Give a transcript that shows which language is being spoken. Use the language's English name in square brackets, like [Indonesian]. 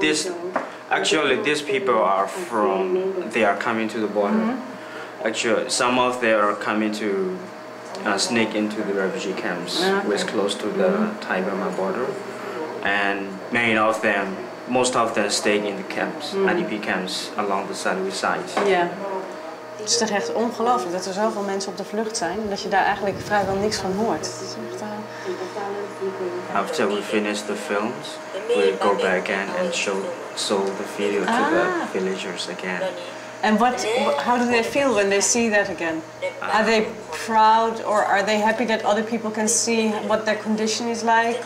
[English] This, actually, these people are from, they are coming to the border. Mm-hmm. Actually, some of them are coming to sneak into the refugee camps, okay. which is close to the mm-hmm. Thai-Burma border. And many of them, most of them stay in the camps, mm-hmm. IDP camps, along the Sarawi side. Yeah. [Dutch] Het is toch echt ongelooflijk dat er zoveel mensen op de vlucht zijn, dat je daar eigenlijk vrijwel niks van hoort. [English] After we finish the films, we go back and show the video to the villagers again. And how do they feel when they see that again? Are they proud or are they happy that other people can see what their condition is like?